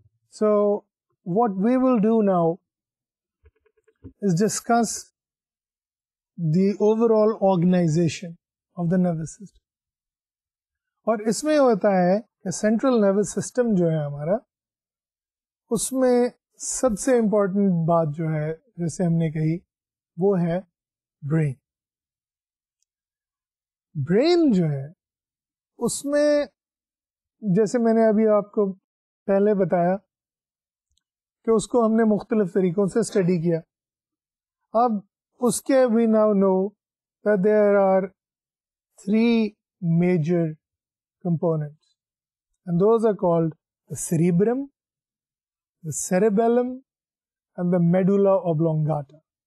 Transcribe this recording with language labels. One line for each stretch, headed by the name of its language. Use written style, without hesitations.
English: So what we will do now is discuss the overall organization of the nervous system.
Hindi: और इसमें होता है कि सेंट्रल नर्वस सिस्टम जो है हमारा, उसमें सबसे इम्पोर्टेंट बात जो है, जैसे हमने कही, वो है ब्रेन. ब्रेन जो है उसमें, जैसे मैंने अभी आपको पहले बताया कि उसको हमने मुख्तलिफ तरीकों से स्टडी किया. अब उसके
English: We now know that there are three major components, and those are called the cerebrum, the cerebellum, and the medulla oblongata.